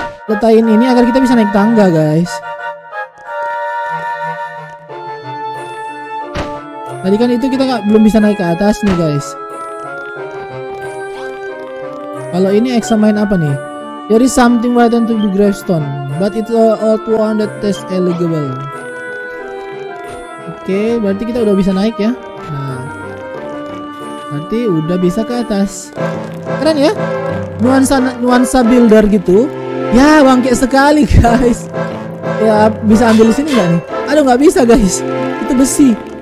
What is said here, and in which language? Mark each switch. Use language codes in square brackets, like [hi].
[id] Letakin ini agar kita bisa naik tangga, guys. Tadi kan itu kita belum bisa naik ke atas nih, guys. Kalau ini examine apa nih? [en] There is something written to the gravestone, but it's an old one that test eligible. [id] Oke, okay, berarti kita udah bisa naik ya. Nah, berarti udah bisa ke atas. Keren ya, nuansa builder gitu. Ya, bangke sekali guys. Ya, bisa ambil di sini nggak nih? Aduh, nggak bisa guys. Itu besi.